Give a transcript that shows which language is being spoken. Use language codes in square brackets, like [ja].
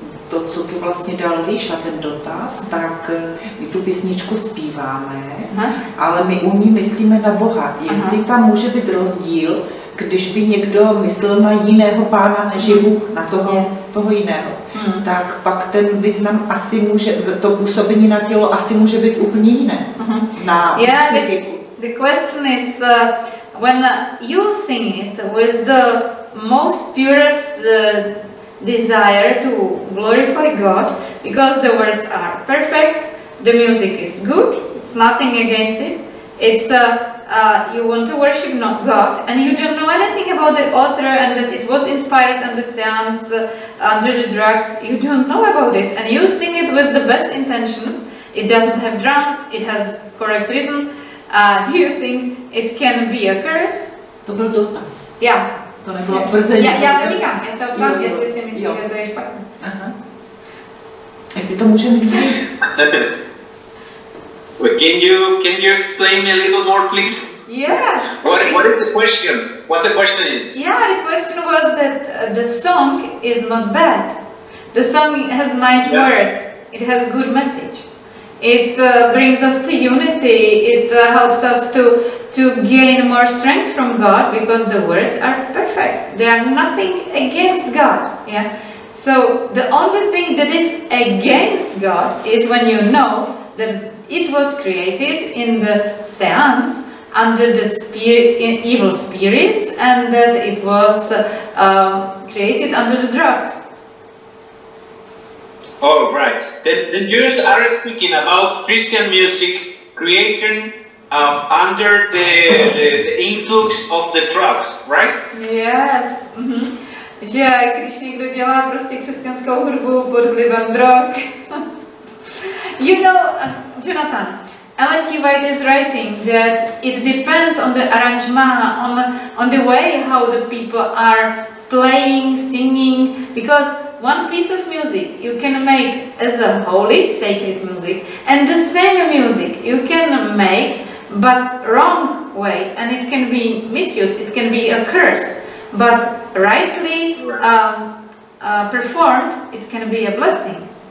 [cs] To, co tu vlastně dal Ríša, ten dotaz, tak my tu písničku zpíváme, ale my u ní myslíme na Boha. Jestli tam může být rozdíl, když by někdo myslel na jiného pána než Bůh, na toho jiného, tak pak ten význam asi může, to působení na tělo asi může být úplně jiné. Na psychiku. [en] The question is, when you sing it with the most purest desire to glorify God, because the words are perfect, the music is good, it's nothing against it, it's you want to worship not God, and you don't know anything about the author and that it was inspired on the seance under the drugs, you don't know about it, and you sing it with the best intentions, it doesn't have drums, it has correct rhythm, do you think it can be a curse? [cs] To byl dotaz. [en] Yeah. [cs] To nebylo tvrzení. Já to říkám, já se odpám, jestli si myslím, jo. Že to je špatné. Aha. Jestli to může mít. [en] Can you explain me a little more, please? Yeah. What is the question? What the question is? Yeah, the question was that the song is not bad. The song has nice words. It has good message. It brings us to unity. It helps us to gain more strength from God because the words are perfect. They are nothing against God. Yeah. So the only thing that is against God is when you know that it was created in the seance under the evil spirits, and that it was created under the drugs. Oh, right. Then you are speaking about Christian music created under the influx of the drugs, right? Yes. [cs] Že když někdo dělá prostě křesťanskou hudbu pod vlivem drog. [en] You know, Jonathan, Ellen G. White is writing that it depends on the arrangement, on the way how the people are playing, singing, because one piece of music you can make as a holy, sacred music, and the same music you can make, but wrong way, and it can be misused, it can be a curse, but rightly performed, it can be a blessing.